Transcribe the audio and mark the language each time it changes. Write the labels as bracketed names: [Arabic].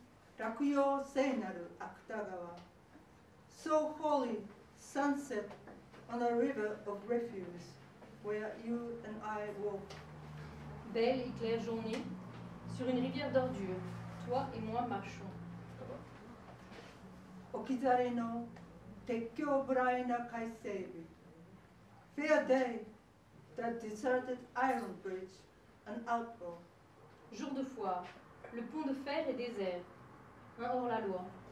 [Japanese] 君と行く落葉聖なる芥川. [English] So holy sunset on a river of refuse where you and I walk. [French] Belle et claire journée sur une rivière d'ordure, toi et moi marchons. [Japanese] 置き去りの鉄橋ブライな海星日. [English] Fair day, the deserted iron bridge, an outlaw. [French] Jour de foire, le pont de fer est désert, un hors-la-loi.